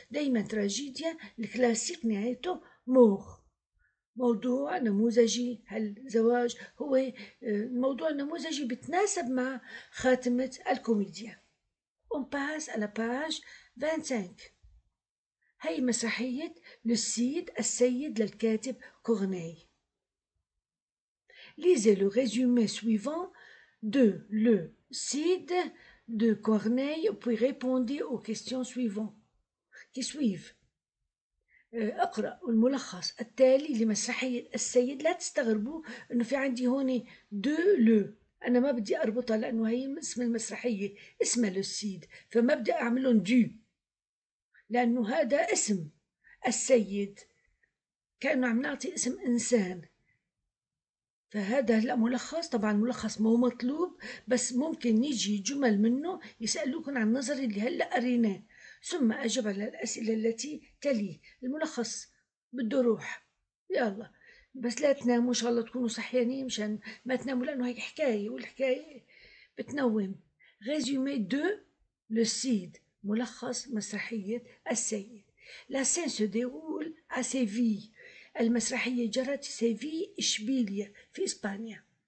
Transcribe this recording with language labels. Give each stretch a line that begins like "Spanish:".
Arabic: دايما تراجيديا الكلاسيك نهايته مور، موضوع نموذجي. هالزواج هو موضوع نموذجي بتناسب مع خاتمة الكوميديا.
French: On passe à la page 25.
Arabic: هي مسرحية للسيد، السيد للكاتب كورني.
French: Lisez le résumé suivant de Le Cid de Corneille, puis répondez aux questions suivantes qui suivent.
Arabic: اقرأ الملخص التالي لمسرحية السيد. لا تستغربوا انه في عندي هون de Le، انا ما بدي اربطها لانه هي اسم المسرحية، اسمها Le Cid، فما بدي اعملهم du لانه هذا اسم السيد، كأنه عم نعطي اسم انسان. فهذا هلأ ملخص، طبعا ملخص مو مطلوب، بس ممكن يجي جمل منه يسألوكم عن نظري اللي هلأ قريناه، ثم أجب على الأسئلة التي تلي. الملخص بده روح، يلا بس لا تناموا، إن شاء الله تكونوا صحيانين مشان ما تناموا، لأنه هيك حكاية والحكاية بتنوم.
French: résumé de le Cid،
Arabic: ملخص مسرحية السيد.
French: la scène se déroule à Séville،
Arabic: المسرحية جرت سيفي إشبيلية في إسبانيا.